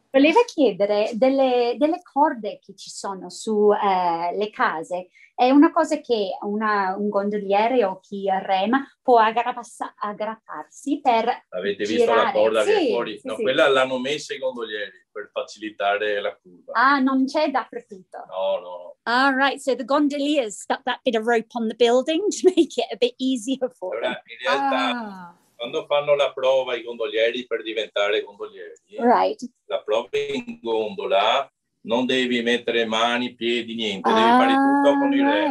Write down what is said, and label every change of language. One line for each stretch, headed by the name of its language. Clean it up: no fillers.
Italian: Volevo chiedere delle corde che ci sono sulle case. È una cosa che un gondoliere o chi rema può aggrapparsi per Avete visto girare. La corda che è fuori? Sì, no, sì, quella l'hanno messa i gondolieri per facilitare la curva. Ah, non c'è dappertutto. No.
English: All right, so the gondoliers stuck that bit of rope on the building to make it a bit easier for them.
Italian: In realtà, quando fanno la prova i gondolieri per diventare gondolieri,
English: right,
Italian: la prova in gondola non devi mettere mani, piedi, niente, devi fare tutto con i rem.